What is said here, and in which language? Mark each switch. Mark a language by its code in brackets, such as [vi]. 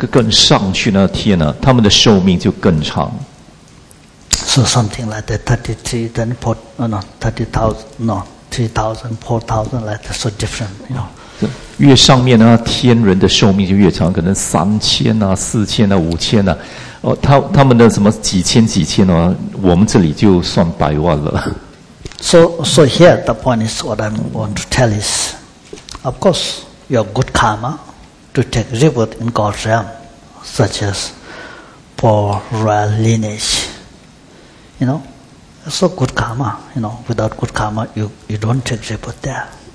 [zh] 这样每一天呢，那个更上去那天呢，他们的寿命就更长。 [en] So something like that, 33, then 4, no, no, 30,000, no, 3,000, 4,000, like that, so different, you know. [zh] 越上面呢，天人的寿命就越长，可能3,000啊、4,000啊、5,000啊，他们的什么几千几千啊，我们这里就算百万了。 [en] So here, the point is what I want to tell is, of course, your good karma, to take rebirth in God's realm, such as poor royal lineage, you know, So good karma, you know, without good karma, you don't exist but there.